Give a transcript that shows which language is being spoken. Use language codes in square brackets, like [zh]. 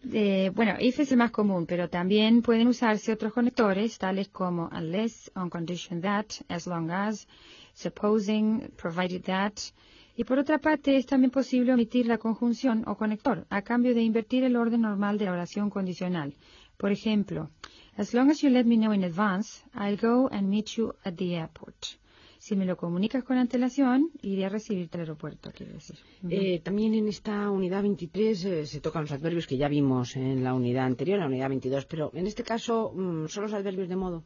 [es] Bueno, if es el más común, pero también pueden usarse otros conectores, tales como [en] unless, on condition that, as long as, supposing, provided that. [es] Y por otra parte, es también posible omitir la conjunción o conector a cambio de invertir el orden normal de la oración condicional. Por ejemplo, [en] as long as you let me know in advance, I'll go and meet you at the airport. [es] Si me lo comunicas con antelación, iré a recibirte al aeropuerto, quiero decir. También en esta unidad 23 se tocan los adverbios que ya vimos en la unidad anterior, la unidad 22, pero en este caso son los adverbios de modo.